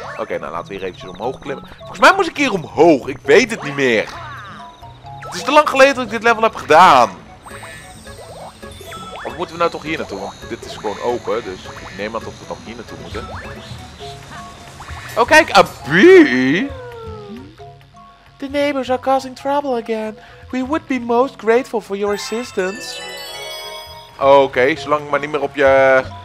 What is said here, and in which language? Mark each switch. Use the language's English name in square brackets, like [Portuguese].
[Dutch] Oké, nou laten we hier eventjes omhoog klimmen. Volgens mij moest ik hier omhoog. Ik weet het niet meer. Het is te lang geleden dat ik dit level heb gedaan. Of moeten we nou toch hier naartoe? Want dit is gewoon open, dus ik neem aan dat we dan hier naartoe moeten. Oh, kijk, Abby! [English] The neighbors are causing trouble again. We would be most grateful for your assistance. [Dutch] Oké, zolang ik maar niet meer op je...